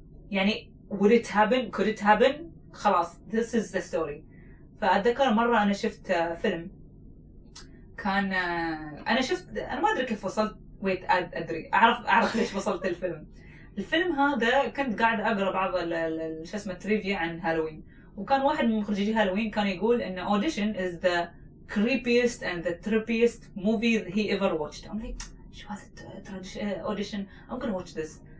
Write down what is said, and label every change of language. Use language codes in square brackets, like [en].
[en] يعني would it happen could it happen [ar] خلاص [en] this is the story. [ar] فأتذكر مرة أنا شفت فيلم كان أنا ما أدري كيف وصلت [en] wait [ar] أدري أعرف ليش وصلت الفيلم هذا. كنت قاعد أقرأ بعض شو اسمه تريفيا عن هالوين، وكان واحد من مخرجي هالوين كان يقول إن [en] audition is the creepiest and the trippiest movie he ever watched. I'm like [ar] شو هذا [en] audition I'm gonna watch this.